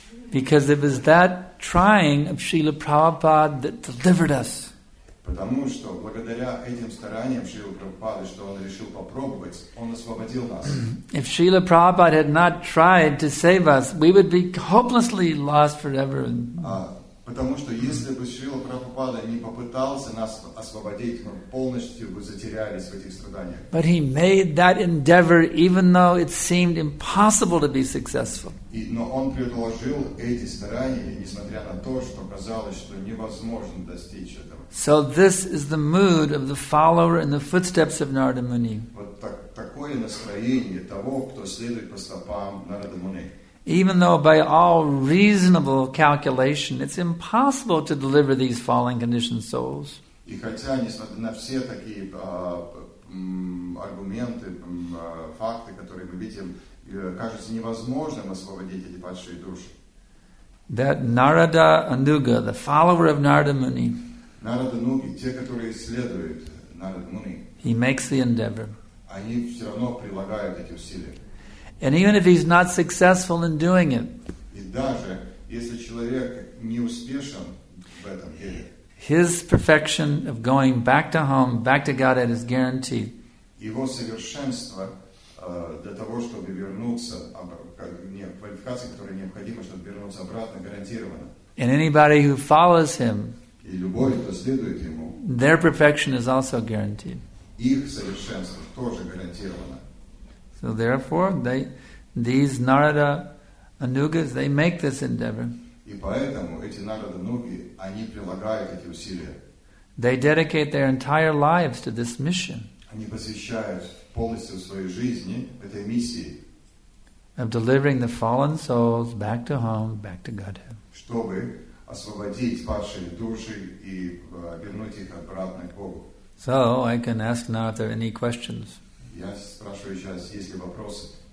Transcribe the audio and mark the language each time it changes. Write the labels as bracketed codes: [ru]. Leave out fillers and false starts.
[en] Because it was that trying of Srila Prabhupada that delivered us. If Srila Prabhupada had not tried to save us, we would be hopelessly lost forever. [ru] Потому что если бы Шрила Прабхупада не попытался нас освободить, мы полностью бы затерялись в этих страданиях. [en] But he made that endeavor, even though it seemed impossible to be successful. [ru] Но он предложил эти старания, несмотря на то, что казалось, что невозможно достичь этого. [en] So this is the mood of the follower in the footsteps of Narada Muni. [ru] Вот такое настроение того, кто следует по стопам Нарада Муни. [en] Even though by all reasonable calculation it's impossible to deliver these fallen conditioned souls. [ru] И хотя, несмотря на все такие аргументы, факты, которые мы видим, кажется невозможным освободить эти падшие души. [en] That Narada Anuga, the follower of Narada Muni, [ru] Narada Nugi, те, которые следуют Narada Muni, [en] he makes the endeavor. [ru] Они все равно прилагают эти усилия. [en] And even if he's not successful in doing it, [ru] и даже если человек не успешен в этом деле, [en] his perfection of going back to home, back to Godhead is guaranteed. [ru] Его совершенство для того, чтобы вернуться, квалификация, которая необходима, чтобы вернуться обратно, гарантирована. [en] And anybody who follows him, [ru] и любой, кто следует ему, [en] their perfection is also guaranteed. [ru] Их совершенство тоже гарантировано. [en] So therefore, these Narada Anugas, they make this endeavor. [ru] И поэтому эти Narada Anugi, они прилагают эти усилия. [en] They dedicate their entire lives to this mission. [ru] Они посвящают полностью своей жизни этой миссии. [en] Of delivering the fallen souls back to home, back to Godhead. [ru] Чтобы освободить падшие души и вернуть их обратно к Богу. [en] So I can ask now if there are any questions. [ru] Я спрашиваю сейчас, есть ли вопросы?